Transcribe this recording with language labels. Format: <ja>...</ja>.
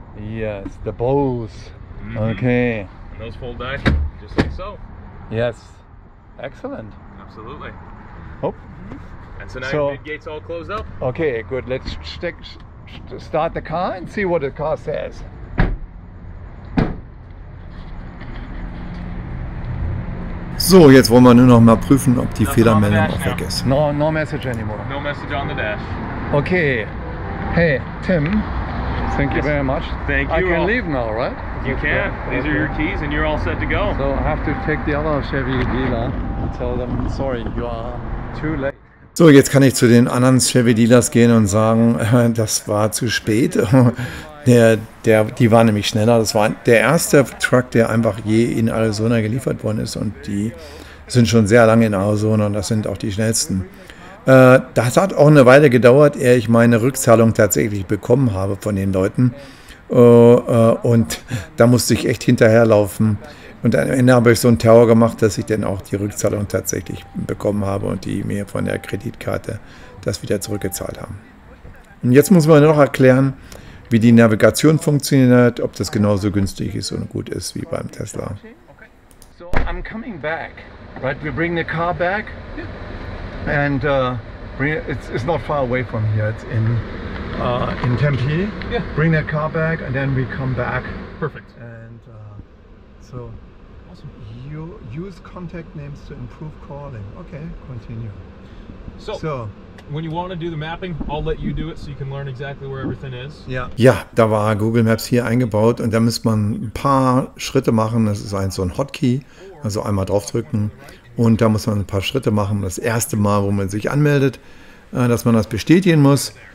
<en>Yes, the Bose. Mm-hmm. Okay. And those fold back just like so. Yes. Excellent. Absolutely. Oh. Mm-hmm. And so now your mid-gate's all closed up. Okay, good. Let's start the car and see what the car says.</en> <de>So, jetzt wollen wir nur noch mal prüfen, ob die Fehlermeldung auch weg ist.</de> <en>No message anymore. No message on the dash. Okay. Hey, Tim. Thank you very much. Thank you. I can leave now, right? You can. These are your keys and you're all set to go. So, I have to take the other Chevy dealer and tell them, sorry, you are too late.</en> <de>So, jetzt kann ich zu den anderen Chevy Dealers gehen und sagen, das war zu spät. Die waren nämlich schneller. Das war der erste Truck, der einfach je in Arizona geliefert worden ist. Und die sind schon sehr lange in Arizona und das sind auch die schnellsten. Das hat auch eine Weile gedauert, ehe ich meine Rückzahlung tatsächlich bekommen habe von den Leuten. Und da musste ich echt hinterherlaufen. Und am Ende habe ich so einen Terror gemacht, dass ich dann auch die Rückzahlung tatsächlich bekommen habe und die mir von der Kreditkarte das wieder zurückgezahlt haben. Und jetzt muss man noch erklären, wie die Navigation funktioniert, ob das genauso günstig ist und gut ist wie beim Tesla.</de> <en>So, I'm coming back. Right, we bring the car back. And it's not far away from here. It's in Tempe. Bring the car back and then we come back. Perfect. So, awesome. You use contact names to improve calling. Okay, continue. So, when you want to do the mapping, I'll let you do it, so you can learn exactly where everything is.</en> <de>Ja, da war Google Maps hier eingebaut und da muss man ein paar Schritte machen. Das ist so ein Hotkey, also einmal draufdrücken und da muss man ein paar Schritte machen. Das erste Mal, wo man sich anmeldet, dass man das bestätigen muss.</de>